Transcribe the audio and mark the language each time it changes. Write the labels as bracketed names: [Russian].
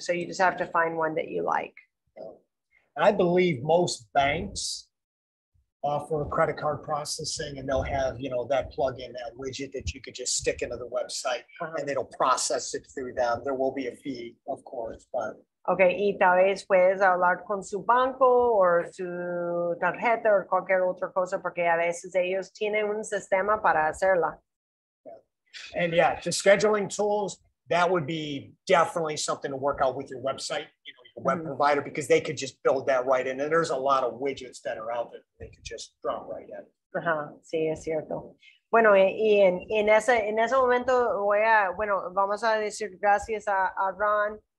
[English] So you just have to find one that you like. I believe most banks offer credit card processing and they'll have, you know, that plugin, that widget that you could just stick into the website and it'll process it through them. There will be a fee, of course, but. [Spanish] Okay, y tal vez puedes hablar con su banco o su tarjeta o cualquier otra cosa, porque a veces ellos tienen un sistema para hacerla. [English] And yeah, the scheduling tools, that would be definitely something to work out with your website, you know, your web mm-hmm. provider, because they could just build that right in. And there's a lot of widgets that are out there that they could just drop right in. [Spanish] Uh-huh. Sí, es cierto. Bueno, y en ese momento vamos a decir gracias a Ron.